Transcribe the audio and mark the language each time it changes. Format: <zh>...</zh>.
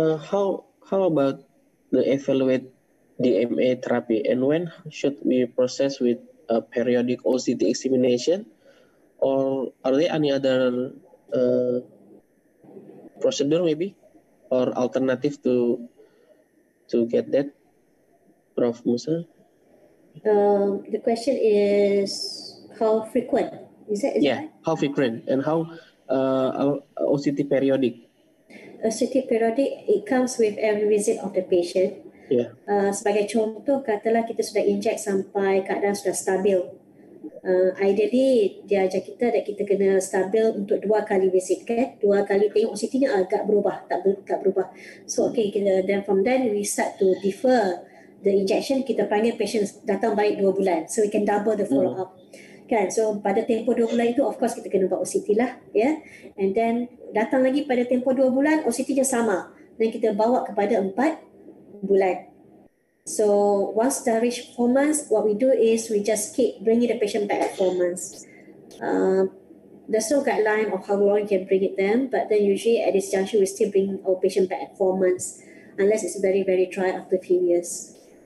<en>How about the evaluate DMA therapy, and when should we process with a periodic OCT examination, or are there any other procedure maybe or alternative to get that, Prof. Musa? The question is how frequent is that? How frequent and how OCT periodic? OCT periodic, it comes with every visit of the patient.</en> <ms>Sebagai contoh, katalah kita sudah inject sampai keadaan sudah stabil. Ideally, dia ajar kita that kita kena stabil untuk dua kali visit, okay? Dua kali tengok OCT-nya agak berubah, tak berubah.</ms> <en>So, okay, then from then, we start to defer the injection.</en> <ms>Kita panggil patient datang balik 2 bulan.</ms> <en>So, we can double the follow-up.</en> <ms>Kan? So, pada tempoh 2 bulan itu, of course, kita kena buat OCT lah. Yeah? And then, datang lagi pada tempoh 2 bulan, OCT-nya sama. Then, kita bawa kepada 4 bulan.</ms> <en>So, once they reach 4 months, what we do is we just keep bringing the patient back at 4 months. There's no guideline of how long you can bring it them, but then usually at this juncture, we still bring our patient back at 4 months, unless it's very, very dry after a few years.</en>